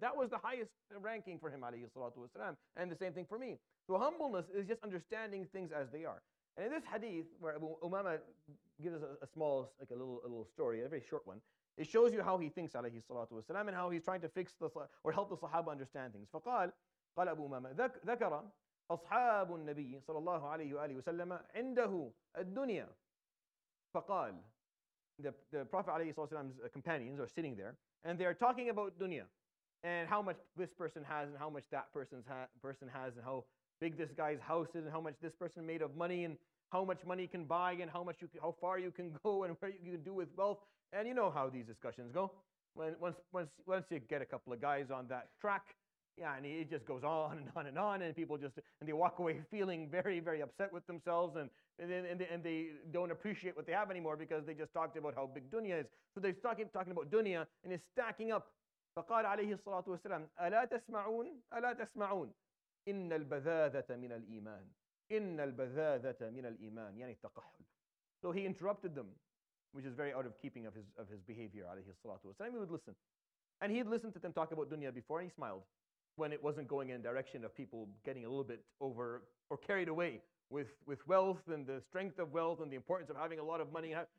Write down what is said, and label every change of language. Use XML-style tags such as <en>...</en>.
<en>That was the highest ranking for him ﷺ, and the same thing for me. So humbleness is just understanding things as they are. And in this hadith, where Abu Umama gives us a little story, a very short one. It shows you how he thinks, alayhi salatu wasalam, and how he's trying to fix the or help the Sahaba understand things.</en> <ar>فقال قال أبو أمامة ذكر أصحاب النبي صلى الله عليه وآله وسلم عنده الدنيا. فقال</ar> <en>the Prophet alayhi salatu wasalam's companions are sitting there and they are talking about dunya and how much this person has and how much that person has and how big this guy's house is and how much this person made of money and how much money you can buy and how far you can go and where you can do with wealth. And you know how these discussions go. Once you get a couple of guys on that track, it just goes on and on and on, and people just and they walk away feeling very, very upset with themselves and they don't appreciate what they have anymore because they just talked about how big dunya is. So they're talking about dunya and it's stacking up.</en> <ar>فقال عليه الصلاة والسلام ألا تسمعون إن البذاذة من الإيمان. إن البذاذة من الإيمان يعني التقحل.</ar> <en>So he interrupted them, which is very out of keeping of his behavior, alayhi salatu wasalam. He would listen. And he'd listened to them talk about dunya before and he smiled when it wasn't going in the direction of people getting a little bit over or carried away with wealth and the strength of wealth and the importance of having a lot of money.</en>